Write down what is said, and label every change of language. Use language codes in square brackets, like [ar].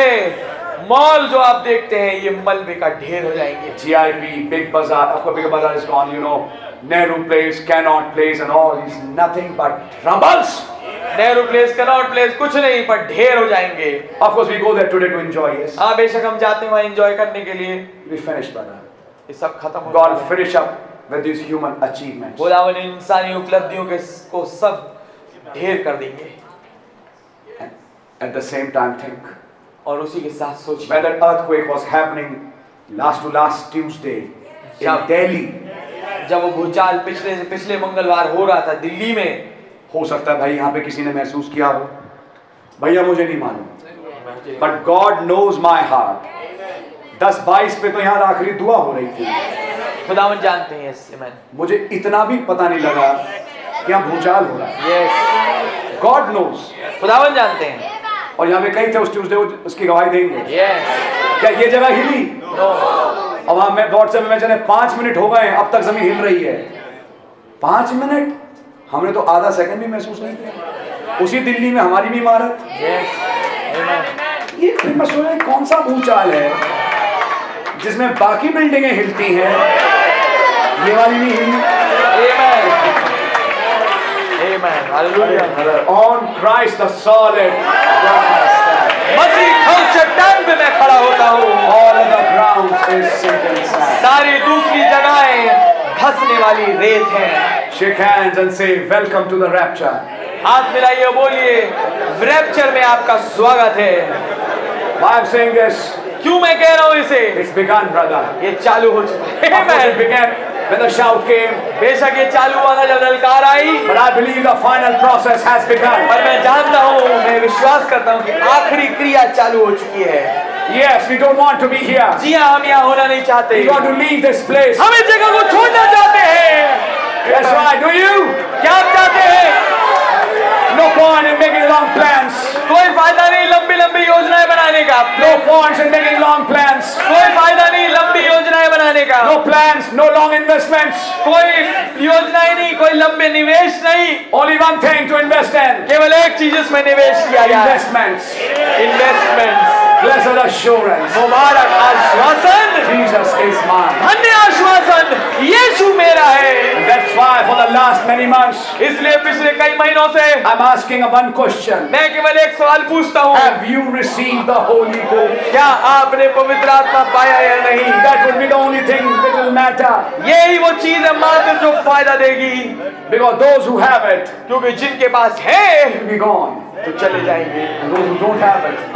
[hi] आप देखते हैं ये मलबे का ढेर हो जाएंगे. [en] Nehru Place, Cannot Place and all is nothing but troubles. [hi] Nehru Place, Cannot Place, कुछ नहीं पर ढेर हो जाएंगे. [en] Of course we go there today to enjoy. Yes. [hi] हाँ बेशक हम जाते हैं वहाँ enjoy करने के लिए. [en] We finish brother. [hi] ये सब खत्म हो. [en] God finish up with these human achievements. [hi] बोला वो इंसानी उपलब्धियों के को सब ढेर कर देंगे. [en] At the same time think. [hi] और उसी के साथ सोच. [en] When that earthquake was happening last to last Tuesday in Delhi. [hi] जब वो भूचाल पिछले मंगलवार हो रहा था दिल्ली में. हो सकता है भाई यहाँ पे किसी ने महसूस किया हो. भैया मुझे नहीं मालूम. [en] But God knows my heart. [hi] 10-22 पे तो यहाँ आखिरी दुआ हो रही थी. खुदावन जानते हैं इससे. मैं मुझे इतना भी पता नहीं लगा कि यहाँ भूचाल हो रहा है. [en] God knows. [hi] खुदावन जानते हैं. और यहाँ पे कई थे उस ट्यूसडे उसकी गवाही देंगे. क्या ये जगह हिली? [en] No. [hi] अब हाँ मैं व्हाट्सएप में चले 5 मिनट हो गए अब तक जमीन हिल रही है. 5 मिनट हमने तो आधा सेकंड भी महसूस नहीं किया. उसी दिल्ली में हमारी भी इमारत. ये फिर मैं सोच रहा हूँ कौन सा भूचाल है जिसमें बाकी बिल्डिंगें हिलती हैं ये वाली नहीं हिली. आमीन. आमीन. Hallelujah. [en] on Christ the solid [hi] मसीह हर चट्टान पे मैं खड़ा होता हूँ. [en] All of the ground is sinking sand. [hi] सारी दूसरी जगहें धसने वाली रेत हैं. [en] Shake hands and say welcome to the rapture. [hi] हाथ मिलाइए बोलिए रैप्चर में आपका स्वागत है. [en] Why I'm saying this? [hi] क्यों मैं कह रहा हूँ इसे? [en] It's begun, brother. [hi] ये चालू हो चुका [en] है. It began when the shout came. [hi] बेशक ये चालू हुआ था जब ललकार आई. [en] But I believe the final process has begun. [hi] पर मैं जानता हूँ, मैं विश्वास करता हूँ कि आखिरी क्रिया चालू हो चुकी है. [en] Yes, we don't want to be here. [hi] जी हाँ, हम यहाँ होना नहीं चाहते. [en] We want to leave this place. [hi] हम इस जगह को छोड़ना चाहते हैं. [en] That's right. Do you? [hi] क्या आप चाहते हैं? [en] No point in making long plans. [hi] कोई फायदा नहीं लंबी लंबी योजनाएं बनाने का. [en] No point in making long plans. [hi] कोई फायदा नहीं लंबी योजनाएं बनाने का. [en] No plans, no long investments. [hi] कोई योजनाएं नहीं, कोई लंबे निवेश नहीं. [en] Only one thing to invest in. [hi] केवल एक चीज में निवेश किया [en] गया. Investments. Investments. Blessed assurance. [hi] मुबारक आश्वासन. [en] Jesus is mine. [hi] धन्य आश्वासन. यीशु मेरा है. [en] That's why for the last many months. [hi] इसलिए पिछले कई महीनों से. [en] I'm asking one question. [hi] मैं केवल एक सवाल पूछता हूँ. [en] Have you received the Holy Ghost? [hi] क्या आपने पवित्र आत्मा पाया या नहीं? [en] That would be the only thing that will matter. [hi] यही वो चीज है मात्र जो फायदा देगी. [en] Because those who have it. [hi] क्योंकि जिनके पास है. [en] Will be gone. [hi] तो चले जाएंगे. [en] And those who don't have it.